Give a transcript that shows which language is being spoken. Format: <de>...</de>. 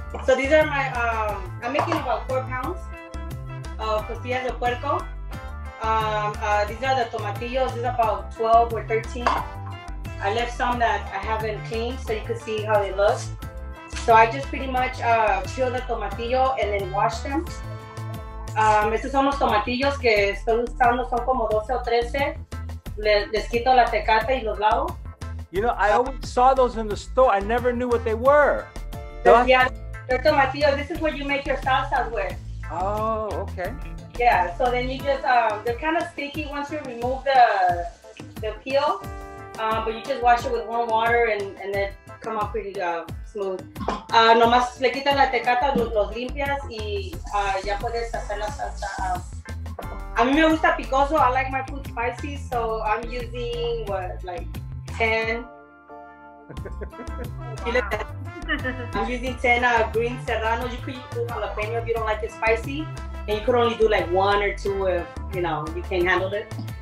<en>So these are my, I'm making about 4 pounds of costillas de puerco. These are the tomatillos, these are about 12 or 13. I left some that I haven't cleaned, so you can see how they look. So I just pretty much peel the tomatillo and then wash them.</en> <es>Estos son los tomatillos que estoy usando, son como 12 o 13. Les quito la tecate y los lavo.</es> <en>You know, I always saw those in the store. I never knew what they were. This is what you make your salsas with. Oh, okay. Yeah, so then you just, they're kind of sticky once you remove the peel, but you just wash it with warm water and then come out pretty smooth.</en> <es>Nomás le quitan la tecata, los limpias, y ya puedes hacer la salsa. A mí me gusta picoso.</es> <en>I like my food spicy, so I'm using, 10? I'm using 10 green serranos. You could use jalapeno if you don't like it spicy. And you could only do like one or two if, you know, you can't handle it.</en>